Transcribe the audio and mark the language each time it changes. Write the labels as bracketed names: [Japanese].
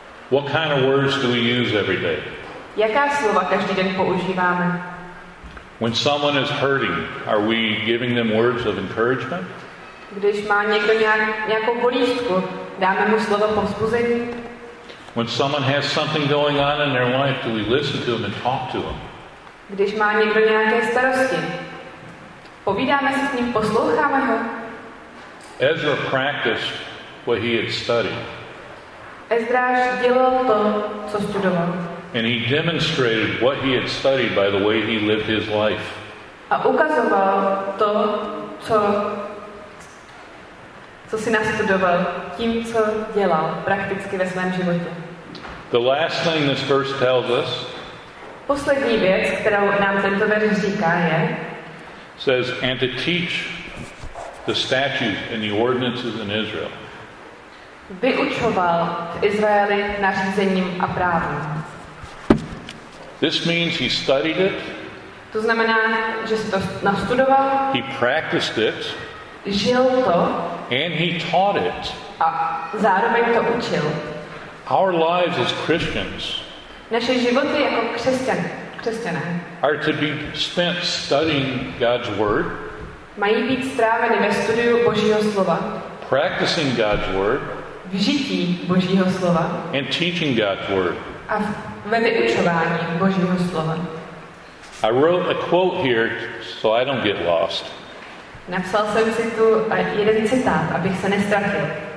[English] What kind of words do we use every day? [Czech] Jaká slova každý den používáme? [English] When someone is hurting, are we giving them words of encouragement? [Czech] Když má někdo nějakou bolístku, dáme mu slovo povzbuzení? [English] When someone has something going on in their life, do we listen to them and talk to them? [Czech] Když má někdo nějaké starosti, povídáme se s ním, posloucháme ho? [English] Ezra practiced what he had studied. [Czech] Ezdráš dělal to, co studoval. [English] And he demonstrated what he had studied by the way he lived his life. [Czech] A ukazoval to, co si nastudoval, tím, co dělal prakticky ve svém životě. [English] The last thing this verse tells us, [Czech] poslední věc, kterou nám tento verš říká, je, [English] says, and to teach the statutes and the ordinances in Israel. [Czech] Vyučoval v Izraeli nařízením a právem. [English] This means he studied it. [Czech] To znamená, že si to nastudoval. [English] He practiced it. [Czech] Žil to. [English] And he taught it. [Czech] A zároveň to učil. [English] Our lives as Christians, [Czech] naše životy jako křesťané, [English] are to be spent studying God's word. [Czech] Mají být stráveny ve studiu Božího slova. [English] Practicing God's word. [Czech] V žití Božího slova. [English] And teaching God's word. [Czech] A ve vyučování Božího slova. [English] I wrote a quote here so I don't get lost. [Czech] Napsal jsem si tu jeden citát, abych se nestratil.